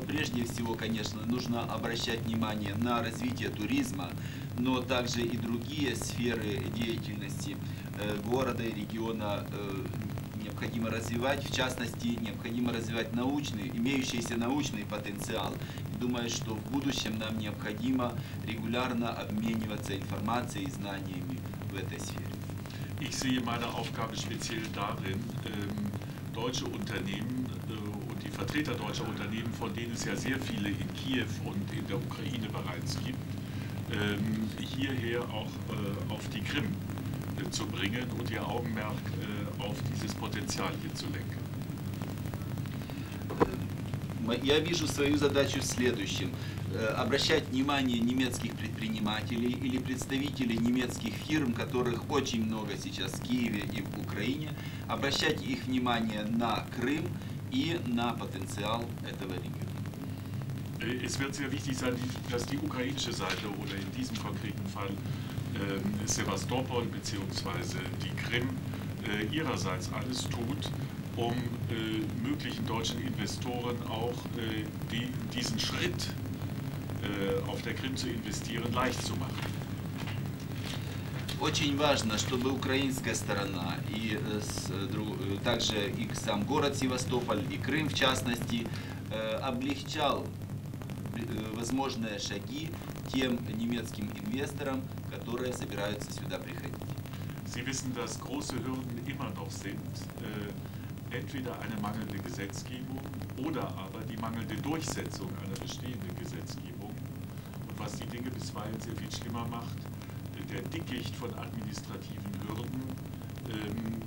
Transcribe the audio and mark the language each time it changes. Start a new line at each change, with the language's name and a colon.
Russian: Прежде всего, конечно, нужно обращать внимание на развитие туризма, но также и другие сферы деятельности города и региона необходимо развивать. В частности, необходимо развивать имеющийся научный потенциал. Думаю, что в будущем нам необходимо регулярно обмениваться информацией и знаниями в этой сфере.
German: Ich sehe meine Aufgabe speziell darin, deutsche Unternehmen und die Vertreter deutscher Unternehmen, von denen es ja sehr viele in Kiew und in der Ukraine bereits gibt, hierher auch auf die Krim zu bringen und ihr Augenmerk auf dieses Potenzial hier zu lenken.
Russian: Я вижу свою задачу в следующем. Обращать внимание немецких предпринимателей или представителей немецких фирм, которых очень много сейчас в Киеве и в Украине, обращать их внимание на Крым и на потенциал этого региона.
German: Es wird sehr wichtig sein, dass die ukrainische Seite oder in diesem konkreten Fall Sevastopol bzw. die Krim ihrerseits alles tut, um möglichen deutschen Investoren auch diesen Schritt auf der Krim zu investieren leicht zu machen.
Russian: Очень важно, чтобы украинская сторона и также и сам город Севастополь и Крым в частности облегчал возможные шаги тем немецким инвесторам, которые собираются сюда приходить.
German: Sie wissen, dass große Hürden immer noch sind. Entweder eine mangelnde Gesetzgebung oder aber die mangelnde Durchsetzung einer bestehenden Gesetzgebung. Und was die Dinge bisweilen sehr viel schlimmer macht, der Dickicht von administrativen Hürden.